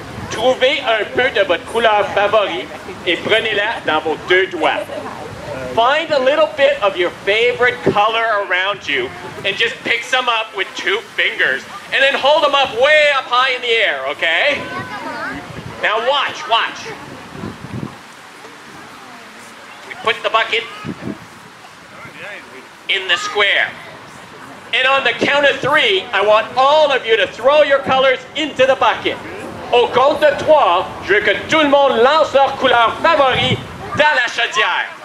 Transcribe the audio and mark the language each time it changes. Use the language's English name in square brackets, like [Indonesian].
[French] Trouvez un peu de votre couleur favori et prenez-la dans vos deux doigts. [English] Find a little bit of your favorite color around you and just pick some up with two fingers and then hold them up way up high in the air, okay? Now watch. We put the bucket in the square. And on the count of three, I want all of you to throw your colors into the bucket. [French] Au compte de trois, je veux que tout le monde lance leur couleur favori dans la chaudière.